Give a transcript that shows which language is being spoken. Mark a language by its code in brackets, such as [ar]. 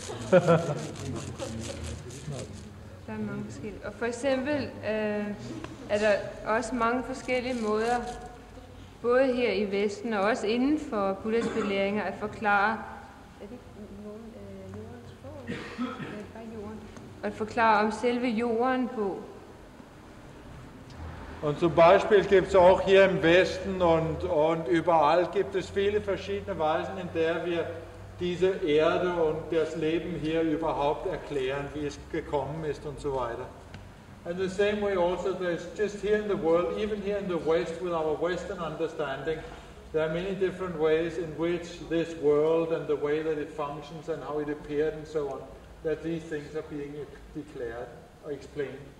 [da] Der er mange forskellige. Og for eksempel er der også mange forskellige måder, både her i Vesten og også inden for Buddhas belæringer, at forklare. Er det nogen jordens form? Bare jorden. At forklare om selve jorden på. [de] Und zum Beispiel gibt es auch hier im Westen und überall gibt es viele verschiedene Weisen, in der wir diese Erde und das Leben hier überhaupt erklären, wie es gekommen ist und so weiter. [en] And the same way also, there's just here in the world, even here in the West, with our Western understanding, there are many different ways in which this world and the way that it functions and how it appeared and so on, that these things are being declared or explained.